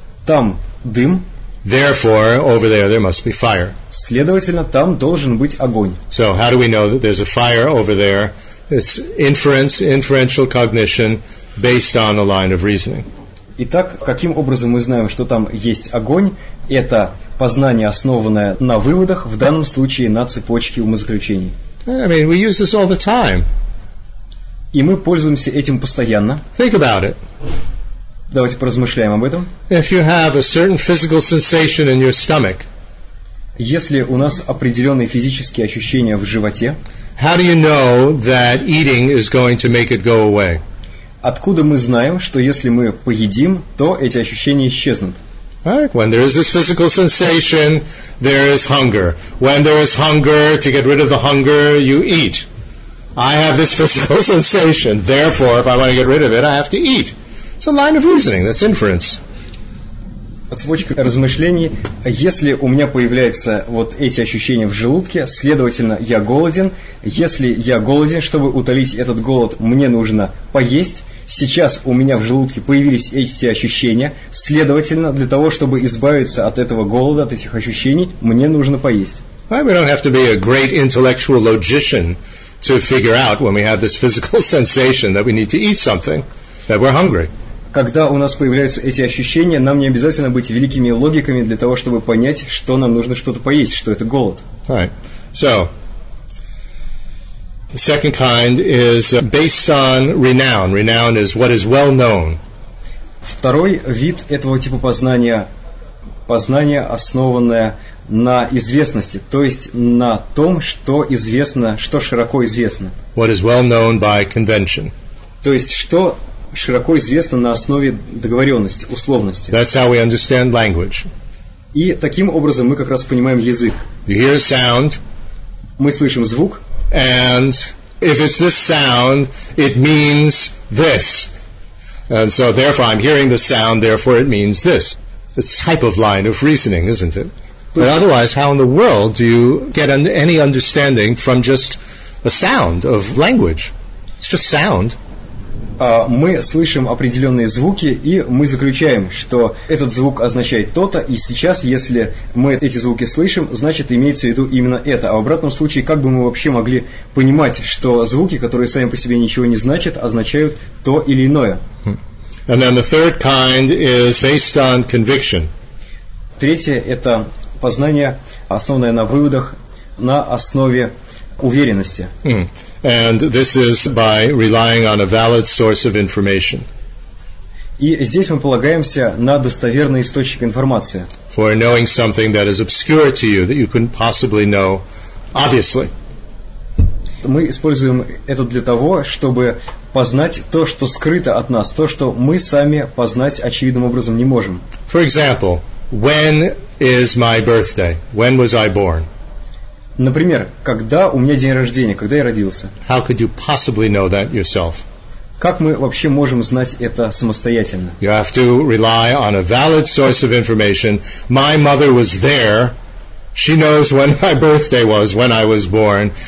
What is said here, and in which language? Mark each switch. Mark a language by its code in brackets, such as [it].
[ru] Там дым. [en] Therefore, over there, there must be fire. [ru] Следовательно, там должен быть огонь. [en] So, how do we know that there's a fire over there? It's inference, inferential cognition, based on a line of reasoning. [ru] Итак, каким образом мы знаем, что там есть огонь? Это познание, основанное на выводах, в данном случае на цепочке умозаключений. [en] I mean, we use this all the time. [ru] И мы пользуемся этим постоянно. [en] Think about it. [ru] Давайте поразмышляем об этом. [en] If you have a certain physical sensation in your stomach, [ru] если у нас определенные физические ощущения в животе, [en] how do you know that eating is going to make it go away? [ru] Откуда мы знаем, что если мы поедим, то эти ощущения исчезнут? [en] Right? When there is this physical sensation, there is hunger. When there is hunger, to get rid of the hunger, you eat. I have this physical sensation, therefore, if I want to get rid of it, I have to eat. It's a line of reasoning, that's inference. [ru] Цепочка размышлений. Если у меня появляются вот эти ощущения в желудке, следовательно, я голоден. Если я голоден, чтобы утолить этот голод, мне нужно поесть. Сейчас у меня в желудке появились эти ощущения. Следовательно, для того, чтобы избавиться от этого голода, от этих ощущений, мне нужно поесть. [en] We don't have to be a great intellectual logician to figure out when we have this physical sensation that we need to eat something, that we're hungry. [ru] Когда у нас появляются эти ощущения, нам не обязательно быть великими логиками для того, чтобы понять, что нам нужно что-то поесть, что это голод. [en] Right. So, the second kind is based on renown. Renown is what is well known. [ru] Второй вид этого типа познания – познание, основанное на известности, то есть на том, что известно, что широко известно. [en] What is well known by convention. [ru] То есть что широко известно на основе договоренности, условности. [en] That's how we understand language. [ru] И таким образом мы как раз понимаем язык. [en] You hear a sound. [ru] Мы слышим звук. [en] And if it's this sound, it means this. And so therefore I'm hearing the sound, therefore it means this. The type of line of reasoning, isn't it? But otherwise, how in the world do you get any understanding from just a sound of language? It's just sound. [ru] Мы слышим определенные звуки, и мы заключаем, что этот звук означает то-то, и сейчас, если мы эти звуки слышим, значит, имеется в виду именно это. А в обратном случае, как бы мы вообще могли понимать, что звуки, которые сами по себе ничего не значат, означают то или иное? [en] And then the third kind is based on conviction. [ru] Третье – это познание, основанное на выводах, на основе уверенности. [en] And this is by relying on a valid source of information. [ru] И здесь мы полагаемся на достоверный источник информации. [en] For knowing something that is obscure to you, that you couldn't possibly know obviously. [ru] Мы используем это для того, чтобы познать то, что скрыто от нас, то, что мы сами познать очевидным образом не можем. [en] For example, when is my birthday? When was I born? [ru] Например, когда у меня день рождения, когда я родился? [en] How could you possibly know that yourself? [ru] Как мы вообще можем знать это самостоятельно? [en] You have to rely on a valid source of information. My mother was there. She knows when my birthday was, when I was born.